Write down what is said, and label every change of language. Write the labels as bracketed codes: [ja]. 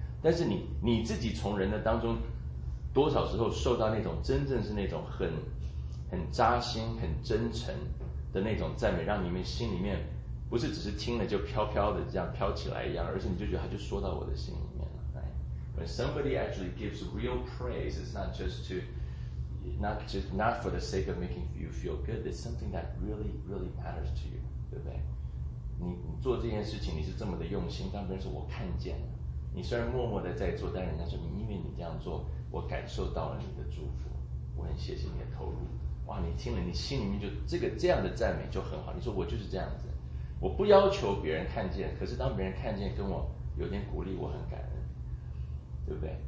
[zh] 但是你自己从人的当中，多少时候受到那种真正是那种很扎心、很真诚的那种赞美，让你们心里面不是只是听了就飘飘的这样飘起来一样，而是你就觉得他就说到我的心里面了。 [en] When somebody actually gives real praise, it's not for the sake of making you feel good. It's something that really, really matters to you, [zh] 对不对？你做这件事情，你是这么的用心，当别人说我看见了。你虽然默默的在做，但人家说你因为你这样做，我感受到了你的祝福，我很谢谢你的投入。哇，你听了，你心里面就这样的赞美就很好。你说我就是这样子，我不要求别人看见，可是当别人看见跟我有点鼓励，我很感恩，对不对？